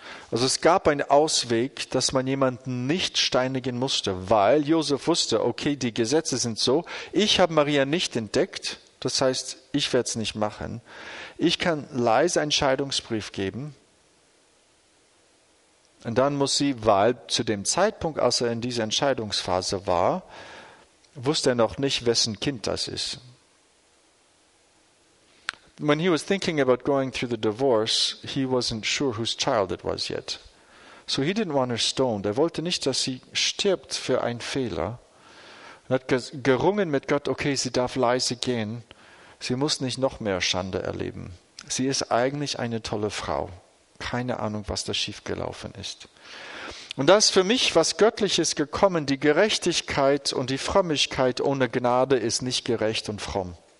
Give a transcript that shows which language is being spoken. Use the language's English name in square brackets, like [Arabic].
[German] Also es gab einen Ausweg, dass man jemanden nicht steinigen musste, weil Josef wusste, okay, die Gesetze sind so, ich habe Maria nicht entdeckt, das heißt, ich werde es nicht machen. Ich kann leise einen Scheidungsbrief geben. Und dann muss sie, weil zu dem Zeitpunkt, als er in dieser Entscheidungsphase war, wusste er noch nicht, wessen Kind das ist. [English] When he was thinking about going through the divorce, he wasn't sure whose child it was yet. So he didn't want her stoned. [German] Er wollte nicht, dass sie stirbt für einen Fehler. Er hat gerungen mit Gott, okay, sie darf leise gehen. Sie muss nicht noch mehr Schande erleben. Sie ist eigentlich eine tolle Frau. Keine Ahnung, was da schiefgelaufen ist. Und das für mich, was Göttliches gekommen, die Gerechtigkeit und die Frömmigkeit ohne Gnade ist nicht gerecht und fromm.